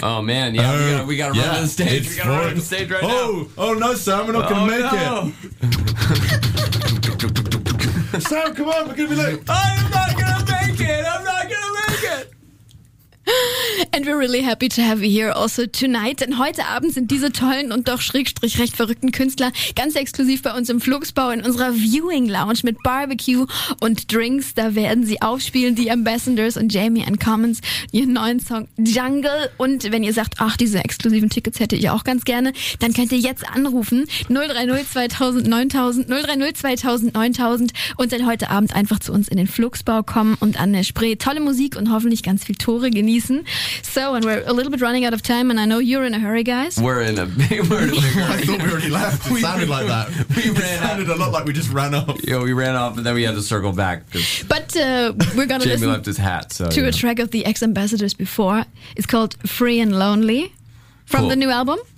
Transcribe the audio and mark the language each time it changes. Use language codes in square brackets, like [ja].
[en] Oh, man. Yeah, we got to run on stage. We got to run on stage right now. Oh, no, Sam. We're not going to make it. Sam, come on. We're going to be late. I'm not going to make it. I'm not going to make it. And we're really happy to have you here also tonight. [de] Denn heute Abend sind diese tollen und doch schrägstrich recht verrückten Künstler ganz exklusiv bei uns im Fluxbau in unserer Viewing Lounge mit Barbecue und Drinks. Da werden sie aufspielen, die Ambassadors und Jamie and Commons, ihren neuen Song Jungle. Und wenn ihr sagt, ach, diese exklusiven Tickets hätte ich auch ganz gerne, dann könnt ihr jetzt anrufen 030 2000 9000 030 2000 9000 und dann heute Abend einfach zu uns in den Fluxbau kommen und an der Spree tolle Musik und hoffentlich ganz viel Tore genießen. [en] So, and we're a little bit running out of time, and I know you're in a hurry, guys. We're in a big hurry. I thought we already left. It sounded like that. It sounded a lot like we just ran off. Yeah, we ran off, and then we had to circle back. But we're going to listen left his hat, so, to a track of the Ex-Ambassadors before. It's called Free and Lonely from the new album.